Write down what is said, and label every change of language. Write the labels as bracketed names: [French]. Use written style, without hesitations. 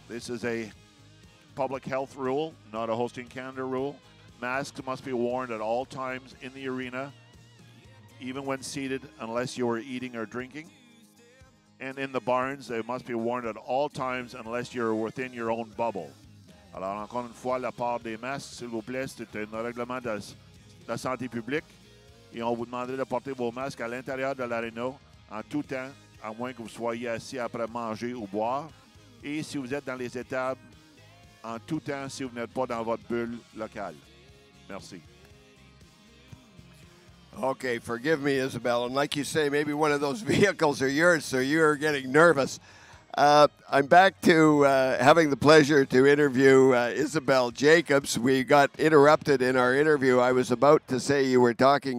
[English] This is a public health rule, not a Holstein Canada rule. Masks must be worn at all times in the arena, even when seated, unless you are eating or drinking. And in the barns, they must be worn at all times unless you're within your own bubble. [French] Alors, encore une fois, la part des masques, s'il vous plaît, c'est un règlement de la santé publique. Et on vous demanderait de porter vos masques à l'intérieur de l'aréna en tout temps, à moins que vous soyez assis après manger ou boire. Et si vous êtes dans les étables, en tout temps, si vous n'êtes pas dans votre bulle locale. Merci. [English] Okay, forgive me, Isabel. And like you say, maybe one of those vehicles are yours, so you're getting nervous. I'm back to having the pleasure to interview Isabel Jacobs. We got interrupted in our interview. I was about to say you were talking.